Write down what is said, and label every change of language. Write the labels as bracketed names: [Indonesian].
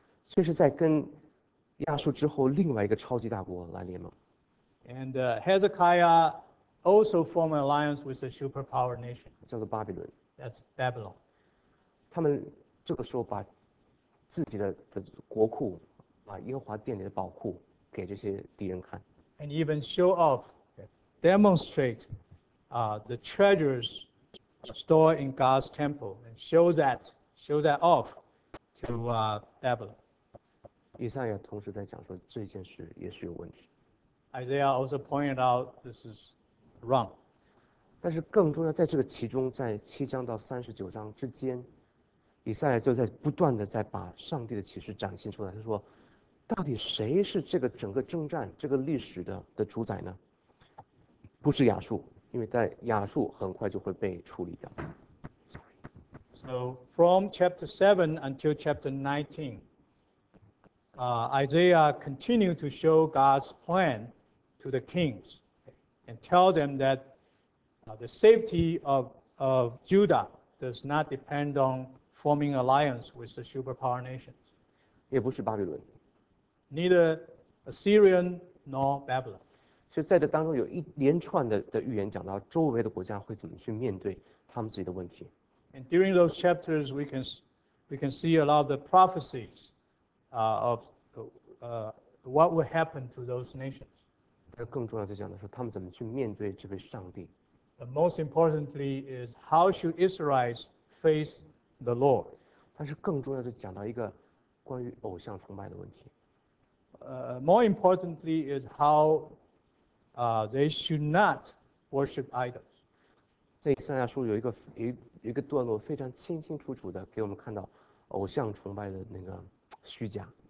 [Chinese] 这是在跟亚述之后另外一个超级大国来联盟。 [English] And Hezekiah also formed an alliance with a superpower nation. [Chinese] 叫做巴比伦。 [English] That's Babylon. [Chinese] 他们这个时候把自己的国库，把耶和华殿里的宝库给这些敌人看。 [English] And even show off, demonstrate the treasures stored in God's temple and show that off to Babylon. [Chinese] 以赛亚同时在讲说这件事也是有问题。 [English] Isaiah also pointed out this is wrong. [Chinese] 但是更重要，在这个其中，在七章到三十九章之间，以赛亚就在不断的在把上帝的启示展现出来。他说，到底谁是这个整个征战、这个历史的主宰呢？不是亚述，因为在亚述很快就会被处理掉。 [English] So from chapter 7 until chapter 19. Isaiah continued to show God's plan to the kings and tell them that the safety of Judah does not depend on forming alliance with the superpower nations. [Chinese] 也不是巴比伦。 [English] Neither Assyrian nor Babylon. [Chinese] 所以在这当中有一连串的预言讲到周围的国家会怎么去面对他们自己的问题。 [English] And during those chapters, we can see a lot of the prophecies of what will happen to those nations. [Chinese] 但更重要的是讲的是他们怎么去面对这个上帝。 [English] The most importantly is how should Israelites face the Lord? [Chinese] 但是更重要的是讲到一个关于偶像崇拜的问题。 [English] More importantly is how they should not worship idols. [Chinese] 在以赛亚书有一个一个段落非常清清楚楚的给我们看到偶像崇拜的那个虚假。